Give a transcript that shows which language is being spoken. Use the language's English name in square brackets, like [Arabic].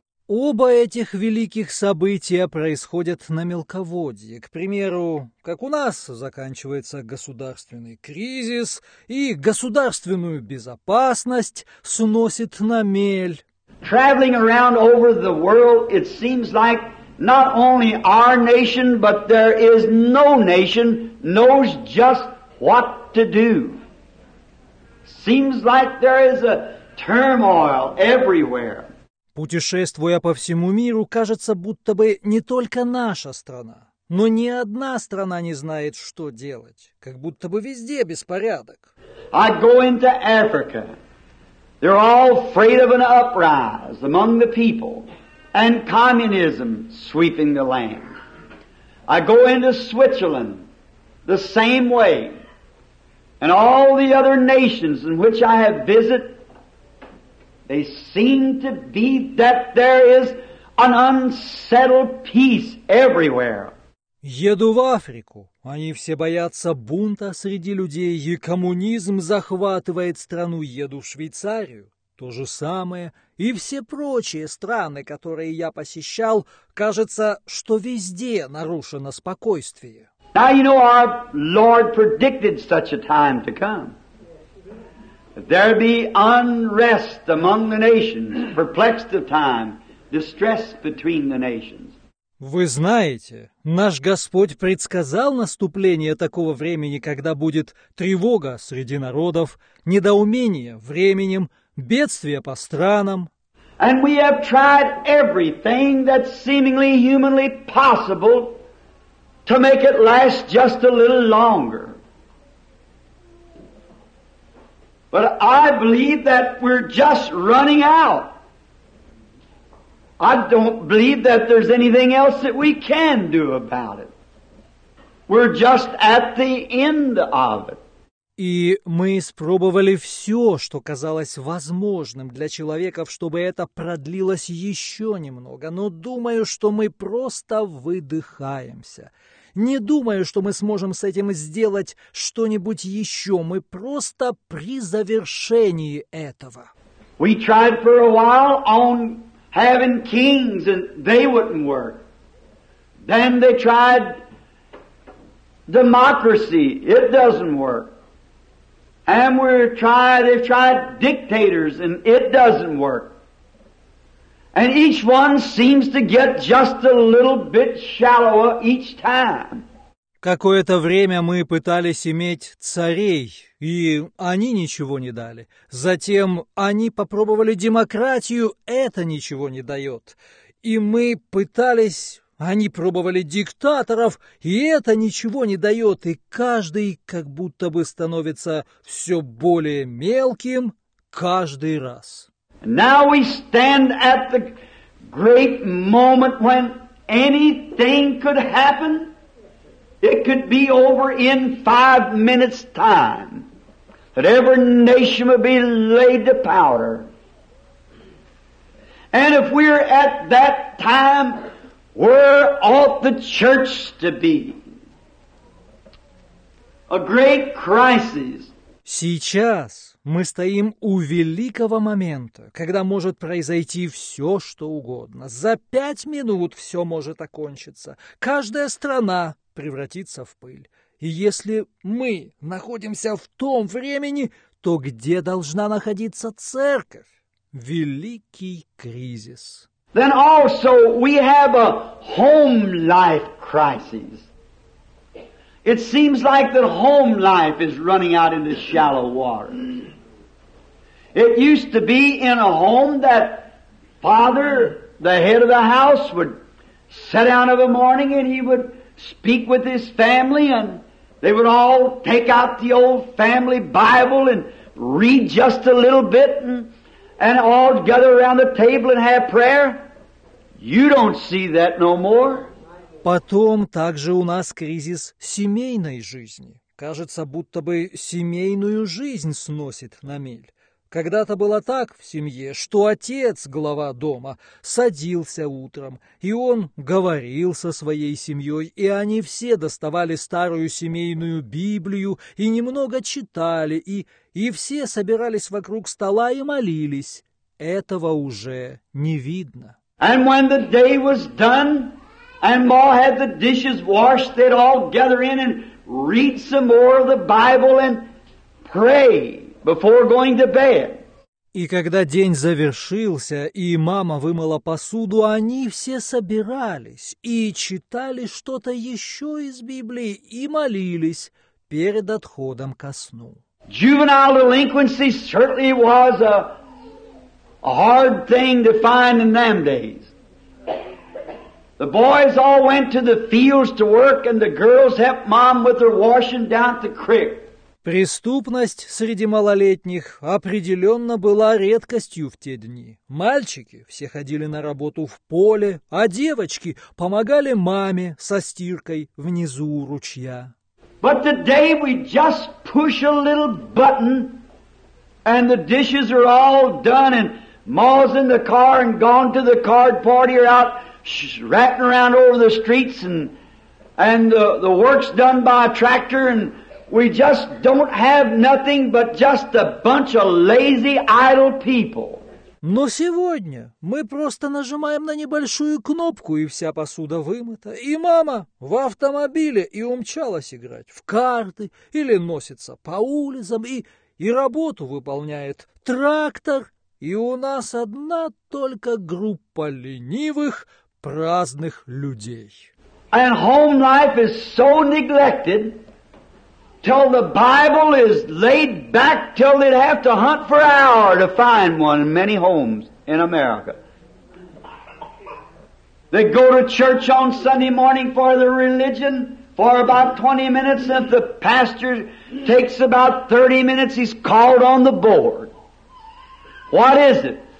[Russian] Оба этих великих события происходят на мелководье. К примеру, как у нас заканчивается государственный кризис, и государственную безопасность сносит на мель. [English] Traveling around over the world, it seems like not only our nation, but there is no nation knows just what to do. Seems like there is a turmoil everywhere. [Russian] Путешествуя по всему миру, кажется, будто бы не только наша страна, но ни одна страна не знает, что делать. Как будто бы везде беспорядок. [English] I go into Africa. They're all afraid of an uprise among the people and communism sweeping the land. I go into Switzerland the same way. And all the other nations in which I have visited, they seem to be that there is an unsettled peace everywhere. [Russian] Еду в Африку. Они все боятся бунта среди людей, и коммунизм захватывает страну. Еду в Швейцарию. То же самое. И все прочие страны, которые я посещал, кажется, что везде нарушено спокойствие. [English] Now you know our Lord predicted such a time to come. There be unrest among the nations, perplexed of time, distress between the nations. [Russian] Вы знаете, наш Господь предсказал наступление такого времени, когда будет тревога среди народов, недоумение временем, бедствие по странам. [English] And we have tried everything that's seemingly humanly possible to make it last just a little longer. But I believe that we're just running out. I don't believe that there's anything else that we can do about it. We're just at the end of it. [Russian] И мы испробовали все, что казалось возможным для человека, чтобы это продлилось еще немного. Но думаю, что мы просто выдыхаемся. Не думаю, что мы сможем с этим сделать что-нибудь еще. Мы просто при завершении этого. [English] We tried for a while on having kings, and they wouldn't work. Then they tried democracy, it doesn't work. And they've tried dictators, and it doesn't work. And each one seems to get just a little bit shallower each time. [Russian] Какое-то время мы пытались иметь царей, и они ничего не дали. Затем они попробовали демократию, это ничего не дает. И мы пытались, они пробовали диктаторов, и это ничего не дает. И каждый как будто бы становится все более мелким каждый раз. [English] Now we stand at the great moment when anything could happen. It could be over in 5 minutes' time. That every nation would be laid to powder. And if we're at that time, where ought the church to be? A great crisis. [Russian] Сейчас мы стоим у великого момента, когда может произойти все, что угодно. За 5 минут все может окончиться. Каждая страна превратится в пыль. И если мы находимся в том времени, то где должна находиться церковь? Великий кризис. [English] Then also we have a home life crisis. It seems like the home life is running out into shallow water. It used to be in a home that father, the head of the house, would sit down of a morning and he would speak with his family and they would all take out the old family Bible and read just a little bit and all gather around the table and have prayer. You don't see that no more. [Russian] Потом также у нас кризис семейной жизни. Кажется, будто бы семейную жизнь сносит на мель. Когда-то было так в семье, что отец, глава дома, садился утром, и он говорил со своей семьей, и они все доставали старую семейную Библию и немного читали, и все собирались вокруг стола и молились. Этого уже не видно. [English] And when the day was done, and Ma had the dishes washed, they'd all gather in and read some more of the Bible and pray before going to bed. [Russian] И когда день завершился, и мама вымыла посуду, они все собирались и читали что-то еще из Библии и молились перед отходом ко сну. [English] Juvenile delinquency certainly was a hard thing to find in them days. The boys all went to the fields to work, and the girls helped mom with her washing down the creek. [Russian] Преступность среди малолетних определенно была редкостью в те дни. Мальчики все ходили на работу в поле, а девочки помогали маме со стиркой внизу у ручья. [English] But today we just push a little button, and the dishes are all done, and Ma's in the car and gone to the card party or out ratting around over the streets, and the work's done by a tractor, and we just don't have nothing but just a bunch of lazy, idle people. [Russian] Но сегодня мы просто нажимаем на небольшую кнопку, и вся посуда вымыта, и мама в автомобиле и умчалась играть в карты или носится по улицам, и работу выполняет трактор, и у нас одна только группа ленивых, праздных людей. [English] And home life is so neglected, till the Bible is laid back, till they'd have to hunt for an hour to find one in many homes in America. They go to church on Sunday morning for the religion for about 20 minutes, and if the pastor takes about 30 minutes, he's called on the board. What is it?